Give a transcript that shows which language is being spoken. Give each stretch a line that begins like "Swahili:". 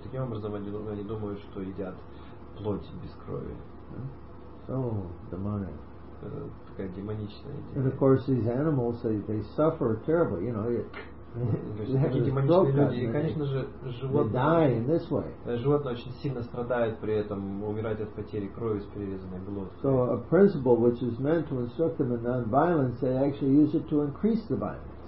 Russian: Таким образом, они думают, что едят плоть без крови.
English: So demonic.
Russian: Такая демоничная идея.
English: And of course, these animals, they suffer terribly, you know.
Russian: Животные очень сильно страдают при этом, умирают от потери крови с перерезанной глоткой.
English: So a principle which is meant to instruct them in non-violence, they actually use it to increase the violence.